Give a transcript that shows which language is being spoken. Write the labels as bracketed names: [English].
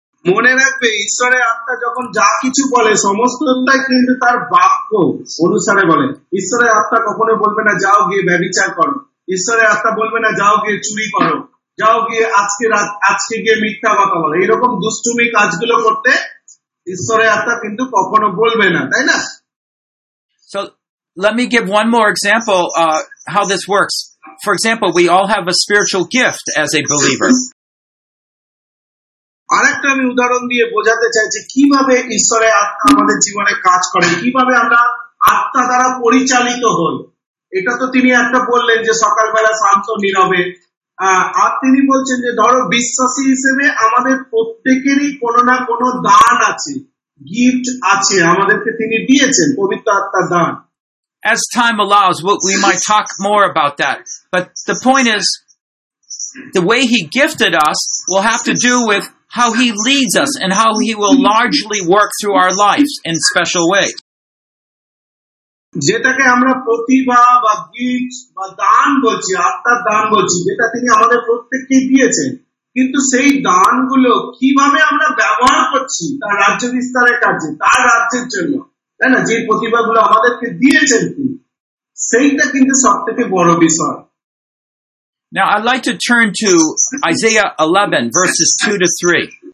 [Bangla] মনে রাখবে ঈশ্বরের আত্মা যখন যা কিছু বলে সমস্তটাই কিন্তু তার বাক্য অনুসারে বলে। ঈশ্বরের আত্মা কখনো বলবে না যাও গিয়ে ব্যভিচার করো, ঈশ্বরের আত্মা বলবে না যাও গিয়ে চুরি করো, যাও গিয়ে আজকে রাত আজকে গিয়ে মিথ্যা কথা বলো, এরকম দুষ্টুমি কাজগুলো করতে ঈশ্বরের আত্মা কিন্তু কখনো বলবে না, তাই না? [English] So let me give one more example how this works. For example, we all have a spiritual gift as a believer. [Bangla] আরেকটা আমি উদাহরণ দিয়ে বোঝাতে চাইছি কিভাবে ঈশ্বরের আত্মা আমাদের জীবনে কাজ করে, কিভাবে আমরা আত্মা দ্বারা পরিচালিত হই। এটা তো তিনি একটা বললেন যে সকালবেলা শান্ত নীরবে, আর তিনি বলছেন যে ধরো বিশ্বাসী হিসেবে আমাদের প্রত্যেকেরই কোনো না কোনো দান আছে, গিফট আছে আমাদেরকে তিনি দিয়েছেন পবিত্র আত্মার দান। [English] As time allows, we might talk more about that. But the point is, the way he gifted us will have to do with how he leads us and how he will largely work through our lives in special ways. [Bangla] যেটাকে আমরা প্রতিভা বা gift বা দান বলছি, আত্মার দান বলছি, যেটা তিনি আমাদের প্রত্যেককে দিয়েছেন, কিন্তু সেই দানগুলো কিভাবে আমরা ব্যবহার করছি তার রাজ্য বিস্তারের কাজে, তার রাজ্যের জন্য, তাই না? যে প্রতিভাগুলো আমাদেরকে দিয়েছেন তিনি, সেইটা কিন্তু সবথেকে বড় বিষয়। [English] Now I'd like to turn to Isaiah 11 verses 2 to 3.